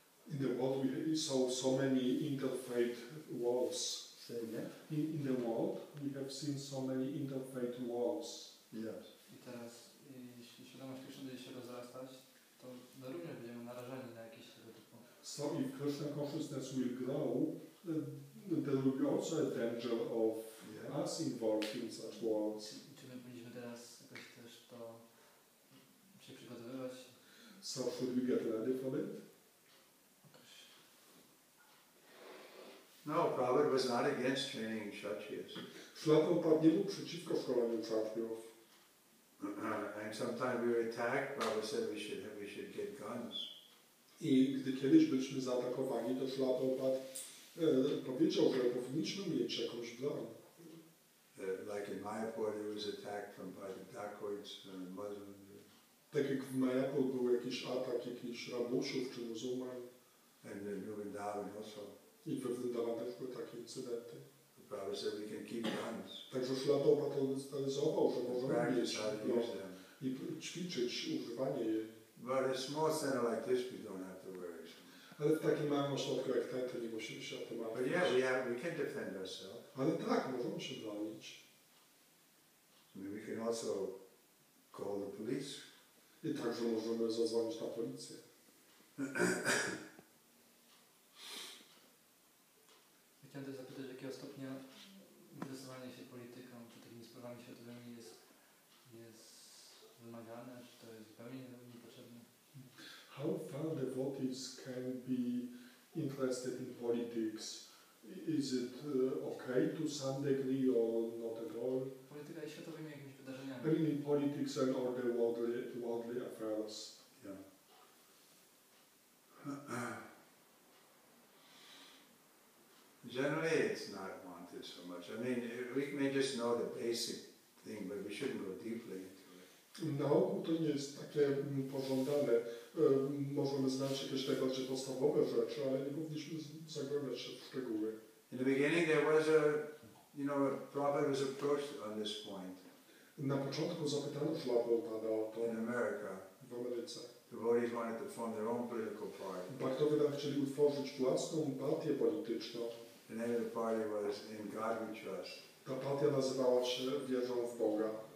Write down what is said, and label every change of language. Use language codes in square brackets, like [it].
[en] In the world, we saw so many interfaith walls. Say that. In the world, we have seen so many interfaith walls. Yes. [pl] I teraz, jeśli świadomość Krishna będzie się rozrastać, to również będziemy narażeni na jakieś tego typu. [en] So if Krishna consciousness will grow, there will be also a danger of us involved in such walls. [pl] Czy my powinniśmy teraz jakoś też to się przygotowywać? [en] So should we get ready for it? No, Prabhupada was not against training kshatriyas. [pl] Prabhupada nie był przeciwko szkoleniu kshatriyów. [en] And sometimes we were attacked, Prabhupada said we should get guns. [pl] I gdy kiedyś byliśmy zaatakowani, to Prabhupada powiedział, że powinniśmy mieć jakąś broń. [en] Like in Mayapur, there was attacked from by the dacoits, Muslims. [pl] Tak jak w Mayapur był jakiś atak jakichś rabuszów czy muzułman. [en] And in Vrindavan also. [pl] I we Vrindavan też były takie incydenty. [en] The Prabhupada said we can keep guns. [pl] Także Prabhupada zdecydował, że możemy mieć broń i ćwiczyć używanie jej. [en] But a small center like this, we don't have to worry. [pl] Ale w takim małym ośrodku jak ten, to nie musimy się o to martwić. [en] But yeah, we can defend ourselves. [pl] Ale tak, możemy się bronić. [en] I mean, we can also call the police. I także możemy zadzwonić na policję. [pl] Chciałem też zapytać, jakiego stopnia interesowanie się polityką czy takimi sprawami światowymi jest wymagane, czy to jest zupełnie niepotrzebne? [en] How far devotees can be interested in politics? Is it okay to some degree or not at all? [pl] Polityka i światowymi jakimiś wydarzeniami. [en] I mean in politics and all the worldly affairs. Yeah. Generally, it's not wanted so much. I mean, we may just know the basic thing, but we shouldn't go deeply into it. [pl] Na ogół to nie jest takie pożądane. Możemy znać jakieś tego, czy podstawowe rzeczy, ale nie powinniśmy zagłębiać się w szczegóły. [en] In the beginning, there was a, you know, a Prabhupada was approached on this point. [pl] Na początku zapytano Prabhupada o to. [en] In America. [pl] W Ameryce. [en] Devotees wanted to form their own political party. [pl] Bhaktowie tam chcieli utworzyć własną partię polityczną. [en] The name of the party was In God We Trust. [pl] Ta partia nazywała się Wierzą w Boga.